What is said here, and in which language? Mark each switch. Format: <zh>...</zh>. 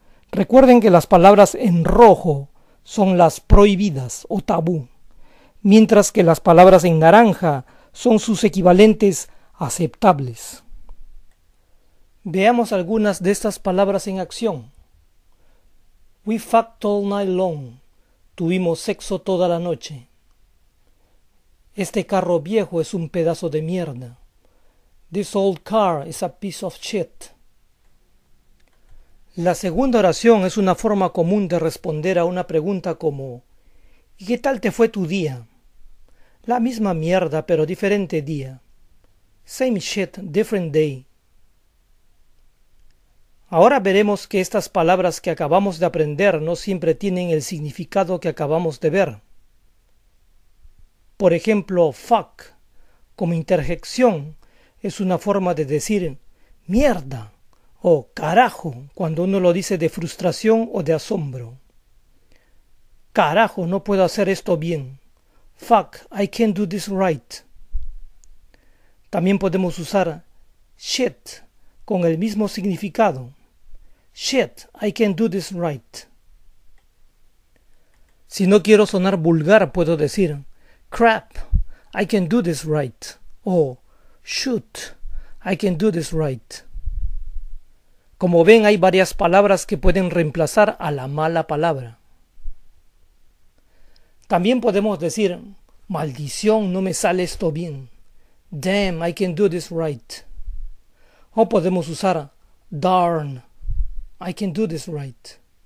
<es>Recuerden que las palabras en rojo son las prohibidas o tabú, mientras que las palabras en naranja son sus equivalentes aceptables. Veamos algunas de estas palabras en acción.</es> <en>We fucked all night long.</en> <es>Tuvimos sexo toda la noche. Este carro viejo es un pedazo de mierda.</es> <en>This old car is a piece of shit.</en> <es>La segunda oración es una forma común de responder a una pregunta como ¿y qué tal te fue tu día? La misma mierda, pero diferente día.</es> <en>Same shit, different day.</en> <es>Ahora veremos que estas palabras que acabamos de aprender no siempre tienen el significado que acabamos de ver. Por ejemplo, fuck, como interjección, es una forma de decir mierda o carajo cuando uno lo dice de frustración o de asombro. Carajo, no puedo hacer esto bien.</es> <en>Fuck, I can't do this right.</en> <es>También podemos usar shit con el mismo significado.</es> <en>Shit, I can't do this right.</en> <es>Si no quiero sonar vulgar, puedo decir</es> <en>crap, I can't do this right. O shoot, I can't do this right.</en> <es>Como ven, hay varias palabras que pueden reemplazar a la mala palabra. También podemos decir maldición, no me sale esto bien.</es> <en>Damn, I can do this right.</en> <es>O podemos usar</es> <en>darn, I can do this right.</en>